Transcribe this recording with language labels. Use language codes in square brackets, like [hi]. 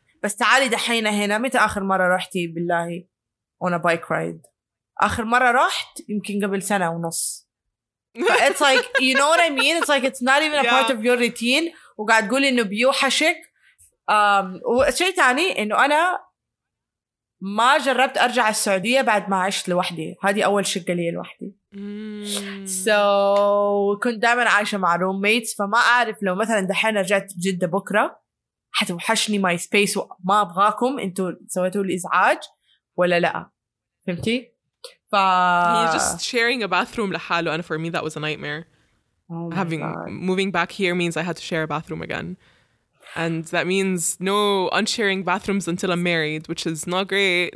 [ar] بس تعالي دحين هنا, متى آخر مرة رحتي بالله [en] on a bike ride؟ [ar] آخر مرة رحت يمكن قبل سنة ونص. [en] It's like, you know what I mean? It's like, it's not even a part of your routine. [ar] وقاعد تقولي إنه بيوحشك. وشيء تاني إنه أنا ما جربت أرجع السعودية بعد ما عشت لوحدي. هذه أول شقة لي لوحدي. So, كنت دائما عايشة مع roommates. فما أعرف لو مثلا دحين رجعت جدة بكرة حتوحشني [en] my space [ar] وما أبغاكم أنتوا سويتوا الإزعاج ولا لا. فهمتي؟ [en] He's just sharing a bathroom لحاله, and for me that was a nightmare. Oh, having God. Moving back here means I had to share a bathroom again, and that means no unsharing bathrooms until I'm married, which is not great.